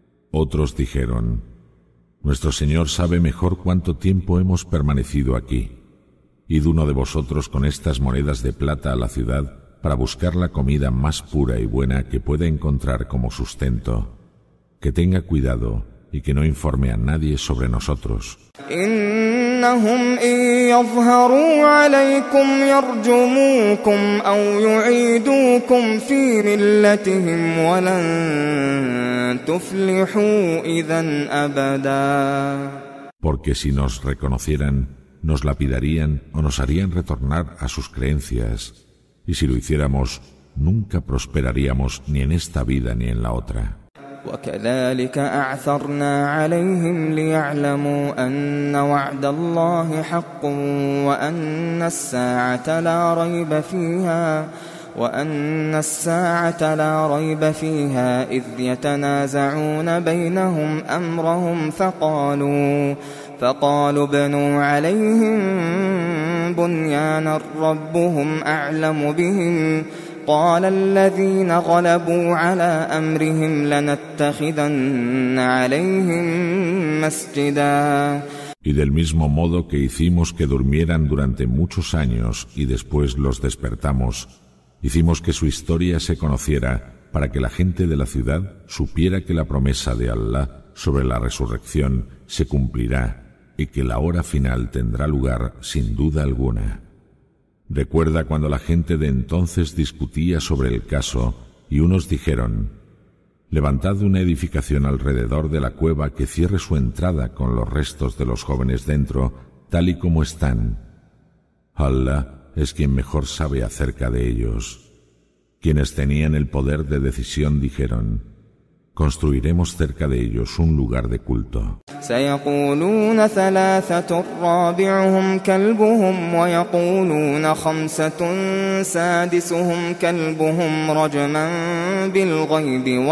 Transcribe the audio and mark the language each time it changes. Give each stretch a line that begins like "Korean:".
Spanish: Otros dijeron: nuestro Señor sabe mejor cuánto tiempo hemos permanecido aquí. Id uno de vosotros con estas monedas de plata a la ciudad para buscar la comida más pura y buena que pueda encontrar como sustento. Que tenga cuidado y que no informe a nadie sobre nosotros.
Arabic: إنهم إن يظهروا عليكم يرجموكم أو يعيدوكم في ملتهم ولن تفلحوا إذا أبدا.
Spanish: Porque si nos reconocieran, nos lapidarían o nos harían retornar a sus creencias. Y si lo hiciéramos, nunca prosperaríamos ni en esta vida ni en la otra.
Arabic: وكذلك أعثرنا عليهم ليعلموا أن وعد الله حق وأن الساعة لا ريب فيها إذ يتنازعون بينهم أمرهم فقالوا بنوا عليهم بنيانا ربهم أعلم بهم قال الذين غلبوا على أمرهم لنتخذن عليهم مسجدا.
Spanish: Y del mismo modo que hicimos que durmieran durante muchos años y después los despertamos, hicimos que su historia se conociera para que la gente de la ciudad supiera que la promesa de Alá sobre la resurrección se cumplirá y que la hora final tendrá lugar sin duda alguna. Recuerda cuando la gente de entonces discutía sobre el caso y unos dijeron: «Levantad una edificación alrededor de la cueva que cierre su entrada con los restos de los jóvenes dentro, tal y como están. Alá es quien mejor sabe acerca de ellos». Quienes tenían el poder de decisión dijeron: «Construiremos cerca de ellos un lugar de culto».
Arabic: سيقولون ثلاثة رابعهم كلبهم ويقولون خمسة سادسهم كلبهم رجما بالغيب